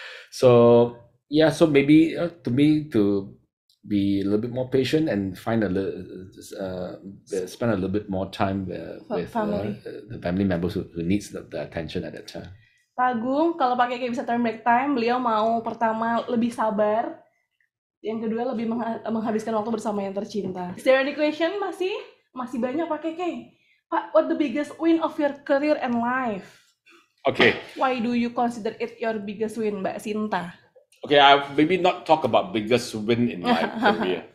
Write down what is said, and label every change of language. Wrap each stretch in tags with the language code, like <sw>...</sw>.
<en>So yeah, so maybe to me, to be a little bit more patient and find a little, spend a little bit more time with family. The family members who needs the attention at that time.</en> <id>Pak Agung, kalau Pak Keke bisa</id> <en>turn back time,</en> <id>beliau mau pertama lebih sabar. Yang kedua, lebih menghabiskan waktu bersama yang tercinta.</id> <en>Is there any question?</en> <id>Masih banyak,</id> <en>Pak Keke. Pak, what the biggest win of your career and life? Okay. Why do you consider it your biggest win, Mbak Sinta? Okay, I maybe not talk about biggest win in my career.</en>